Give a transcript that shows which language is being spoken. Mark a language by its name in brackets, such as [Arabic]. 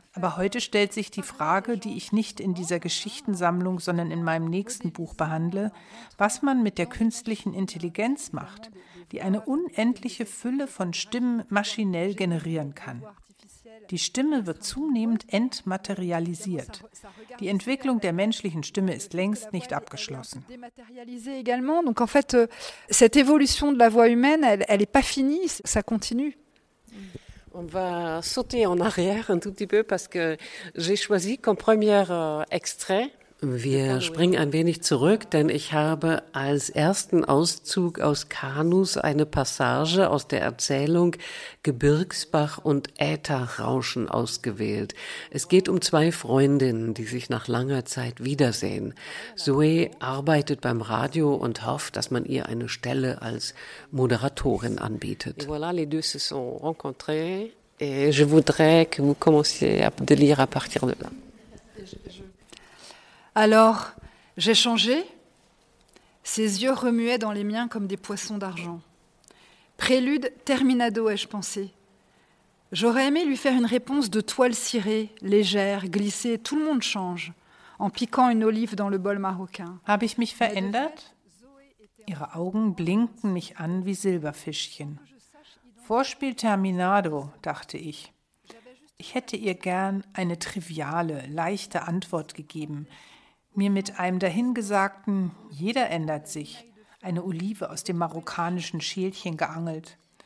[German] Aber heute stellt sich die Frage, die ich nicht in dieser Geschichtensammlung, sondern in meinem nächsten Buch behandle, was man mit der künstlichen Intelligenz macht, die eine unendliche Fülle von Stimmen maschinell generieren kann. Die Stimme wird zunehmend entmaterialisiert. Die Entwicklung der menschlichen Stimme ist längst nicht abgeschlossen. [French] Donc en fait cette évolution de la voix humaine, elle est pas finie, ça continue. On va sauter en arrière un tout petit peu parce que j'ai choisi comme premier extrait. [German] Wir springen ein wenig zurück, denn ich habe als ersten Auszug aus Kanus eine Passage aus der Erzählung Gebirgsbach und Ätherrauschen ausgewählt. Es geht um zwei Freundinnen, die sich nach langer Zeit wiedersehen. Zoe arbeitet beim Radio und hofft, dass man ihr eine Stelle als Moderatorin anbietet. [French] Et voilà, les deux se sont rencontrés et je voudrais que vous commenciez à lire à partir de là. Alors, j'ai changé. Ses yeux remuaient dans les miens comme des poissons d'argent. Prélude terminado, ai-je pensé. J'aurais aimé lui faire une réponse de toile cirée, légère, glissée. Tout le monde change. En piquant une olive dans le bol marocain. [German] Habe ich mich verändert? Ihre Augen blinken mich an wie Silberfischchen. Vorspiel terminado, dachte ich. Ich hätte ihr gern eine triviale, leichte Antwort gegeben. Mir mit einem dahingesagten, jeder ändert sich, eine Olive aus dem marokkanischen Schälchen geangelt.